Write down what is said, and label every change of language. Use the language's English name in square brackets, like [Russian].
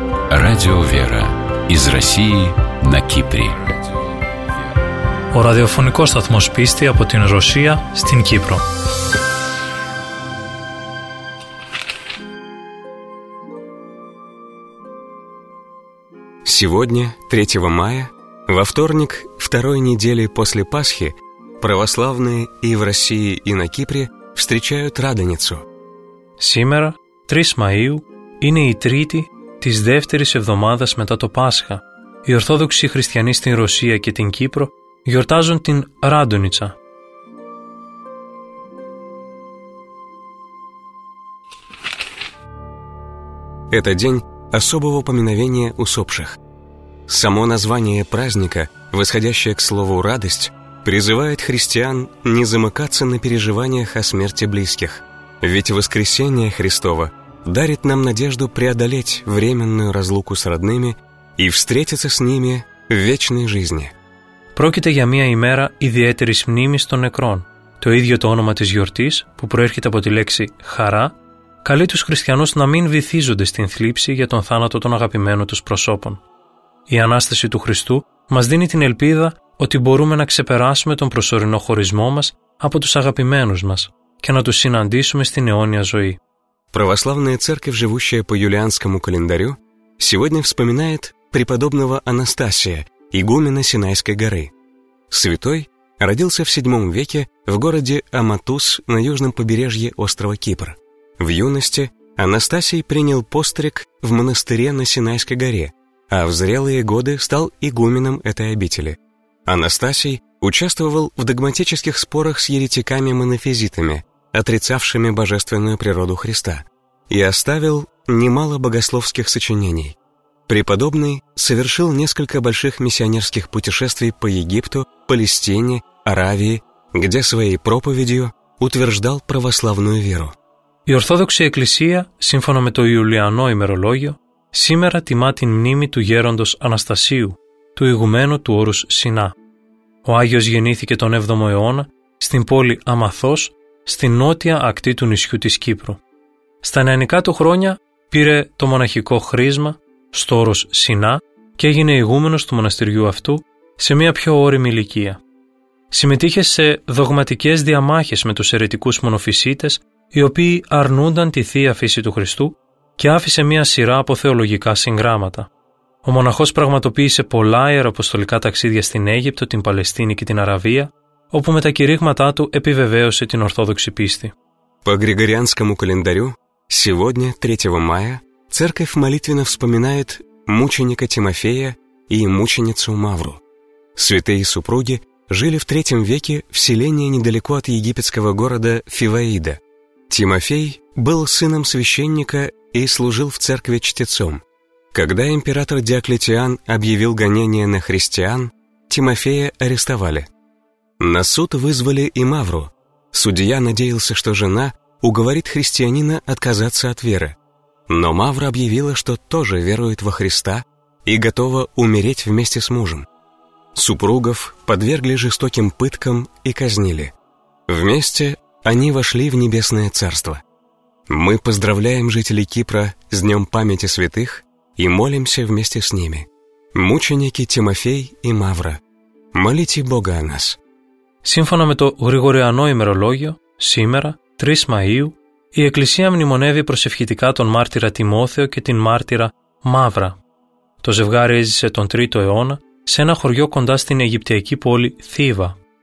[Russian] Радио «Вера» из России на Кипре. [Greek] Ο ραδιοφωνικός σταθμός πίστη από την Ρωσία στην Κύπρο. [Russian] Сегодня, 3 мая, во вторник, второй недели после Пасхи, православные и в России, и на Кипре встречают Радоницу. Сегодня, 3 мая, [Greek] είναι η Τρίτη της δεύτερης εβδομάδας μετά το Πάσχα. Οι Ορθόδοξοι Χριστιανοί στην Ρωσία και την Κύπρο γιορτάζουν την Ράντονιτσα. [Russian] Это день особого поминовения усопших. Само название праздника, восходящее к слову «радость», призывает христиан не замыкаться на переживаниях о смерти близких. Ведь воскресение Христово дарит нам надежду преодолеть временную разлуку с родными и встретиться с ними в вечной жизни. [Greek] Πρόκειται για μια ημέρα ιδιαίτερης μνήμης των νεκρών. Το ίδιο το όνομα της γιορτής, που προέρχεται από τη λέξη «χαρά», καλεί τους χριστιανούς να μην βυθίζονται στην θλίψη για τον θάνατο των αγαπημένων τους προσώπων. Η Ανάσταση του Χριστού μας δίνει την ελπίδα ότι μπορούμε να ξεπεράσουμε τον προσωρινό χωρισμό μας από τους αγαπημένους μας και να τους συναντήσουμε στην αιώνια ζωή. [Russian] Православная церковь, живущая по юлианскому календарю, сегодня вспоминает преподобного Анастасия, игумена Синайской горы. Святой родился в 7 веке в городе Аматус на южном побережье острова Кипр. В юности Анастасий принял постриг в монастыре на Синайской горе, а в зрелые годы стал игуменом этой обители. Анастасий участвовал в догматических спорах с еретиками-монофизитами, отрицавшими божественную природу Христа, и оставил немало богословских сочинений. Преподобный совершил несколько больших миссионерских путешествий по Египту, Палестине, Аравии, где своей проповедью утверждал православную веру. [Greek] Η Ορθόδοξη Εκκλησία, σύμφωνα με το Ιουλιανό ημερολόγιο, σήμερα τιμά την μνήμη του γέροντος Αναστασίου, του ηγουμένου του όρους Σινά. Ο Άγιος γεννήθηκε τον 7ο αιώνα στην πόλη Αμαθός, στην νότια ακτή του νησιού της Κύπρου. Στα νεανικά του χρόνια πήρε το μοναχικό χρίσμα στο όρος Σινά και έγινε ηγούμενος του μοναστηριού αυτού σε μια πιο όρημη ηλικία. Συμμετείχε σε δογματικές διαμάχες με τους αιρετικούς μονοφυσίτες, οι οποίοι αρνούνταν τη Θεία Φύση του Χριστού και άφησε μια σειρά από θεολογικά συγγράμματα. Ο μοναχός πραγματοποίησε πολλά ιεραποστολικά ταξίδια στην Αίγυπτο, την Παλαιστίνη και την Αραβία, όπου με τα κηρύγματά του επιβεβαίωσε την Ορθόδοξη πίστη. [Russian] По Григорианскому календарю, сегодня, 3 мая, церковь молитвенно вспоминает мученика Тимофея и мученицу Мавру. Святые супруги жили в 3 веке в селении недалеко от египетского города Фиваида. Тимофей был сыном священника и служил в церкви чтецом. Когда император Диоклетиан объявил гонение на христиан, Тимофея арестовали. На суд вызвали и Мавру. Судья надеялся, что жена уговорит христианина отказаться от веры. Но Мавра объявила, что тоже верует во Христа и готова умереть вместе с мужем. Супругов подвергли жестоким пыткам и казнили. Вместе они вошли в небесное царство. Мы поздравляем жителей Кипра с Днем памяти святых и молимся вместе с ними. Мученики Тимофей и Мавра, молите Бога о нас. [Greek] Σύμφωνα με το Γρηγοριανό ημερολόγιο, σήμερα, 3 Μαΐου, η Εκκλησία μνημονεύει προσευχητικά τον μάρτυρα Τιμόθεο και την μάρτυρα Μαύρα. Το ζευγάρι έζησε τον 3ο αιώνα σε ένα χωριό κοντά στην Αιγυπτιακή πόλη Θήβα.